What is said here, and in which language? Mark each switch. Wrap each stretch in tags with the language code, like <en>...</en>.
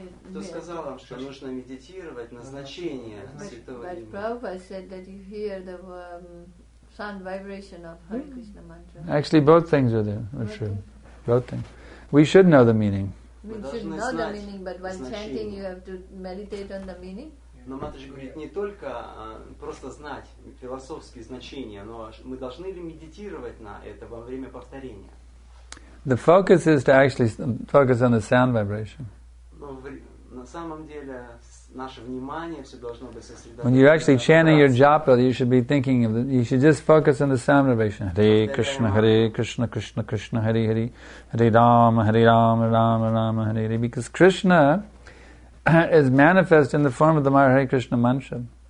<ru>Кто сказал вам, что нужно медитировать на значение святого имени?</ru> <en>But Prabhupada said that you hear the sound vibration of Hare Krishna mantra. Actually, both things are there. Are true. Both things. We should know the meaning. We should know the meaning, but while chanting, you have to meditate on the meaning.</en> <ru>Но Матаджи говорит, не только просто знать философские значения, но мы должны ли медитировать на это во время повторения?</ru> <en>The focus is to actually focus on the sound vibration.</en> <ru>Но на самом деле наше внимание все должно быть сосредоточено.</ru> <en>When you're actually chanting your japa, you should be thinking of the, you should just focus on the sound vibration. Hare Krishna, Hare Krishna, Krishna Krishna, Hare Hare, Hare Rama, Hare Rama, Rama Rama, Hare Hare. Because Krishna is manifest in the form of the Hare Krishna mantra.</en>